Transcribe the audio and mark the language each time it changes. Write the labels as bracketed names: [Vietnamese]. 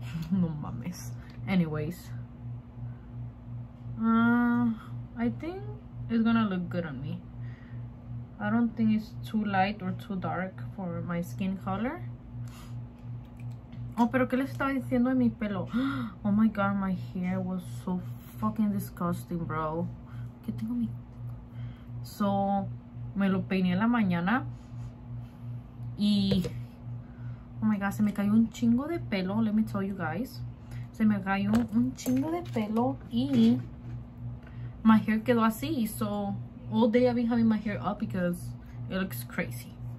[Spanish] No mames. [English] Anyways, I think it's gonna look good on me. I don't think it's too light or too dark for my skin color. [Spanish] Oh, pero que le estaba diciendo de mi pelo. [English] Oh my god, my hair was so fucking disgusting, bro. [Spanish] ¿Qué tengo mi? So me lo peiné en la mañana y oh my god, se me cayó un chingo de pelo. [English] Let me tell you guys. [Spanish] Se me cayó un chingo de pelo y [English] my hair [Spanish] quedó así. [English] So all day I've been having my hair up because it looks crazy.